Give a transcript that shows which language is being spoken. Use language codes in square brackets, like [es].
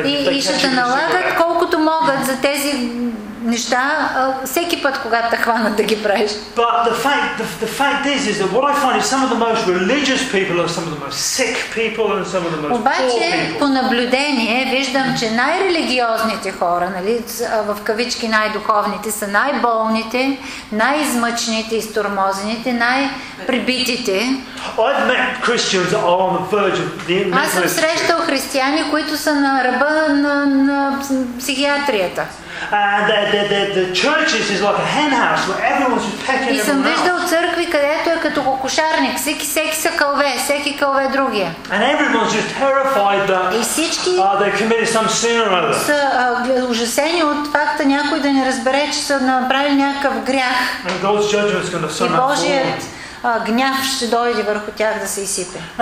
[bg] И ще налагат колкото могат за тези неща, всеки път, когато те хванат да ги правиш. [en] But the fact is that what I find is some of the most religious people are some of the most sick people and some of the most poor people. [bg] По наблюдение виждам, че най-религиозните хора, нали, в кавички най-духовните, са най-болните, най-измъчените, изтормозените, най-прибитите. [en] I've met Christians that are on the verge of the mental institute. [bg] Аз съм срещал християни, които са на ръба на психиатрията. [en] And the churches is like a hen house where everyone's just pecking everyone. [bg] И съм виждал църкви, където е като кокошарник, всеки са кълве, всеки кълве другия. [en] And everyone's just terrified that they committed some sin or other. [bg] Са ужасени от факта някой да не разбере, че са направили някакъв грях. [en] And God's judgment's gonna come upon them. [bg] Гняв ще дойде върху тях да се изсипе.